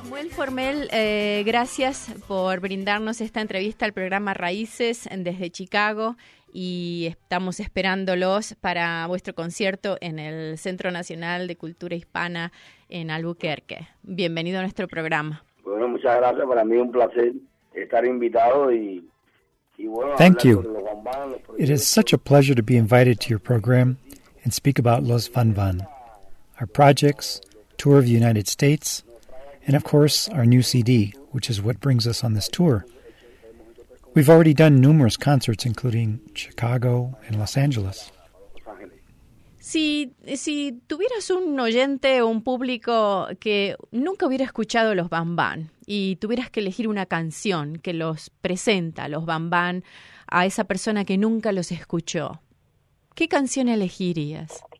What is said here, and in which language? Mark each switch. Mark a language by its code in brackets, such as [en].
[es] Formel, gracias por brindarnos esta entrevista al programa Raíces desde Chicago y estamos esperándolos para vuestro concierto en el Centro Nacional de Cultura Hispana en Albuquerque. Bienvenido a nuestro programa. Bueno, muchas gracias. Para mí es un placer estar invitado y bueno. [en] Thank you. It is such a pleasure to be invited to your program and speak about Los Van Van, our projects, tour of the United States, and of course, our new CD, which is what brings us on this tour. We've already done numerous concerts, including Chicago and Los Angeles. [es] Si tuvieras un oyente o un público que nunca hubiera escuchado Los Van Van y tuvieras que elegir una canción que los presenta, Los Van Van, a esa persona que nunca los escuchó, ¿qué canción elegirías?